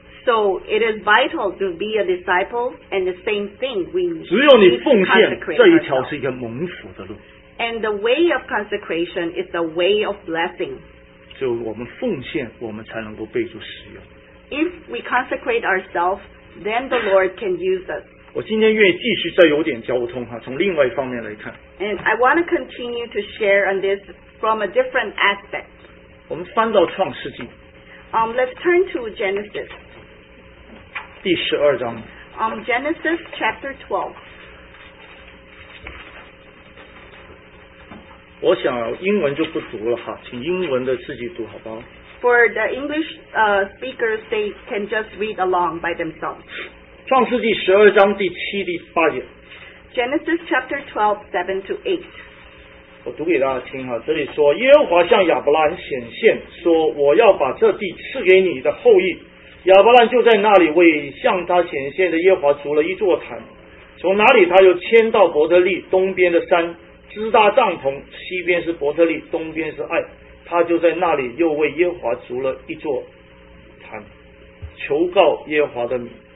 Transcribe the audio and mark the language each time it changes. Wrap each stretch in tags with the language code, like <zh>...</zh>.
<en>So it is vital to be a disciple, and the same thing we need to consecrate.</en> <zh>只有你奉献，这一条是一个蒙福的路。</zh> <en>And the way of consecration is the way of blessing.</en> <zh>就我们奉献，我们才能够被主使用。</zh> <en>If we consecrate ourselves, then the Lord can use us.</en> <zh>我今天愿意继续再有点交通哈，从另外一方面来看。</zh> <en>And I want to continue to share on this from a different aspect.</en> <zh>我们翻到创世纪。</zh> <en>Let's turn to Genesis.</en> <zh>第十二章。</zh> <en>Genesis chapter 12.</en> <zh>我想英文就不读了哈，请英文的自己读好不好？</zh> <en>For the English speakers, they can just read along by themselves.</en> <zh>创世纪十二章第七、第八节。</zh> <en>Genesis chapter 12:7-8.</en> <zh>我读给大家听哈，这里说耶和华向亚伯兰显现，说我要把这地赐给你的后裔。亚伯兰就在那里为向他显现的耶和华筑了一座坛，从哪里他又迁到伯特利东边的山，支搭帐篷，西边是伯特利，东边是爱，他就在那里又为耶和华筑了一座坛，求告耶和华的名。</zh>